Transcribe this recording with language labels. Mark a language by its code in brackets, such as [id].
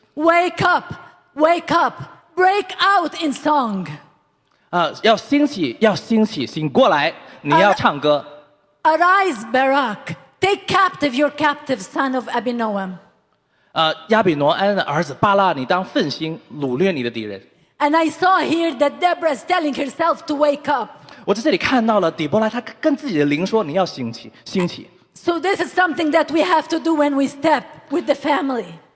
[en] Wake up, wake up, break out in song. [zh] 要兴起，醒过来，你要唱歌。 [en] Arise, Barak, take captive your captive son of Abinoam. [zh] 亚比挪安的儿子巴拉，你当奋兴，掳掠你的敌人。 [en] And I saw here that Deborah is telling herself to wake up. [zh] 我在这里看到了底波拉，她跟自己的灵说，你要兴起，兴起。 [en] So this is something that we have to do when we step with the family.